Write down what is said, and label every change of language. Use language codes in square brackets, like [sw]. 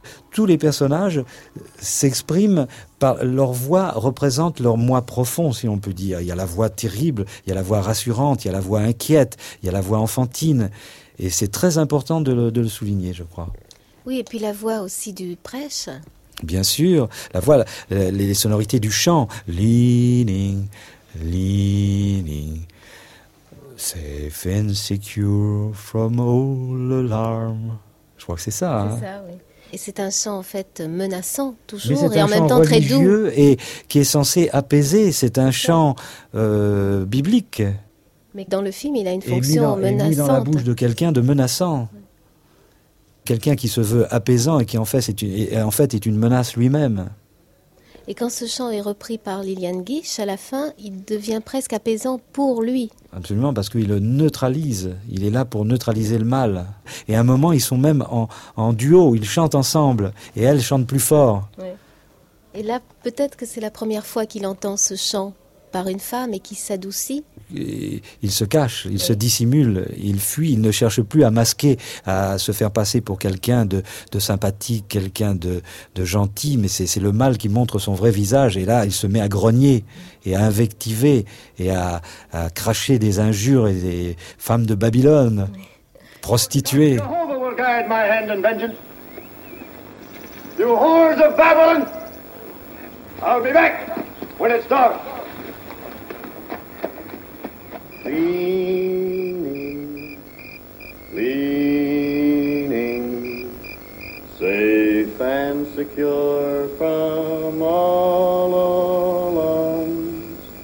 [fr] Tous les personnages s'expriment par leur voix, représente leur moi profond, si on peut dire. Il y a la voix terrible, il y a la voix rassurante, il y a la voix inquiète, il y a la voix enfantine. Et c'est très important de le souligner, je crois. Oui, et puis la voix aussi du prêche. Bien sûr, la voix, les sonorités du chant. [en] Leaning, leaning, safe and secure from all alarm. [fr] Je crois que c'est ça. C'est hein. Ça, oui. Et c'est un chant, en fait, menaçant, toujours, et en même temps très doux. Et qui est censé apaiser, c'est un chant biblique. Mais dans le film, il a une fonction menaçante. Et mis dans la bouche de quelqu'un de menaçant. Quelqu'un qui se veut apaisant et qui, en fait, est une menace lui-même. Et quand ce chant est repris par Lillian Gish, à la fin, il devient presque apaisant pour lui. Absolument, parce qu'il le neutralise. Il est là pour neutraliser le mal. Et à un moment, ils sont même en duo. Ils chantent ensemble. Et elle chante plus fort. Ouais. Et là, peut-être que c'est la première fois qu'il entend ce chant par une femme et qu'il s'adoucit. Et il se cache, il se dissimule, il fuit, il ne cherche plus à masquer, à se faire passer pour quelqu'un de sympathique, quelqu'un de gentil, mais c'est le mal qui montre son vrai visage. Et là, il se met à grogner et à invectiver et à cracher des injures et des femmes de Babylone, prostituées. [en] Jehovah will guide my hand in vengeance. You whores of Babylon, I'll be back when it's dark. Leaning, leaning, safe and secure from all alarms.